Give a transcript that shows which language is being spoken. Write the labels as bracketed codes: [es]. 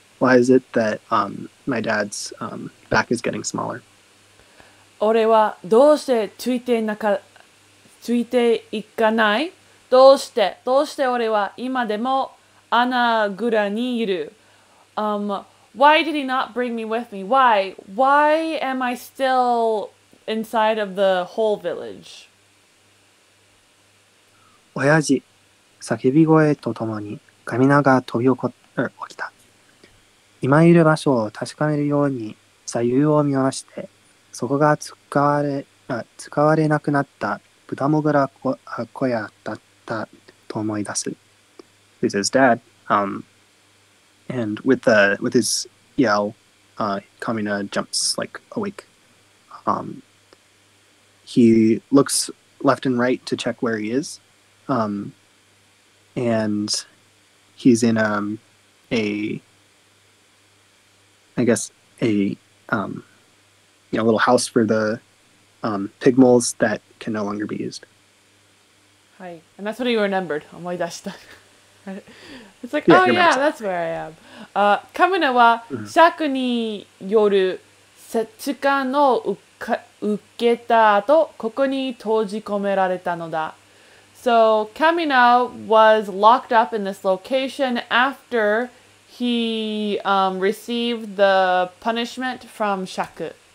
[en] Why is it that my dad's back is getting smaller? [ja] 俺はどうしてついてなか、ついていかない? どうして、どうして俺は今でもアナグラにいる? [en] Why did he not bring me with me? Why? Why am I still inside of the whole village? [ja] 親父、叫び声とともに、神奈が飛び起きた。今いる場所を確かめるように左右を見回して、そこが使われなくなったブタモグラ小屋だったと思い出す。 [en] He says, Dad, and with his yell, Kamina jumps like awake. He looks left and right to check where he is. And he's in a little house for the pig moles that can no longer be used. Hi. And that's what he remembered. [ja] 思い出した。 [en] It's like, yeah, oh yeah, that's where I am. [ja] カムナは、シャクによる接近を受けた後、ここに閉じ込められたのだ。 [en] So, Kamina was locked up in this location after he received the punishment from Shaku.